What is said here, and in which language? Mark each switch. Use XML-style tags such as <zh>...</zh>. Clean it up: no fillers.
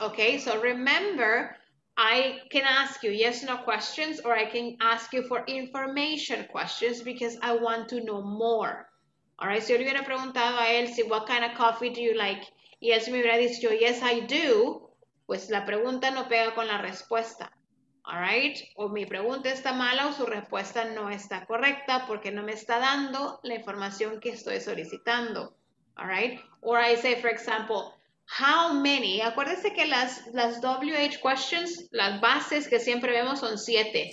<en>Okay, so remember, I can ask you yes, no questions, or I can ask you for information questions because I want to know more. All right, so</en> <es>yo le hubiera preguntado a él,</es> <en>what kind of coffee do you like?</en> <es>Y él me hubiera dicho,</es> <en>yes, I do.</en> <es>Pues la pregunta no pega con la respuesta.</es> <en>All right,</en> <es>o mi pregunta está mala o su respuesta no está correcta porque no me está dando la información que estoy solicitando.</es> <en>All right, or I say, for example, how many?</en> <es>Acuérdese que las WH questions, las bases que siempre vemos son siete.</es>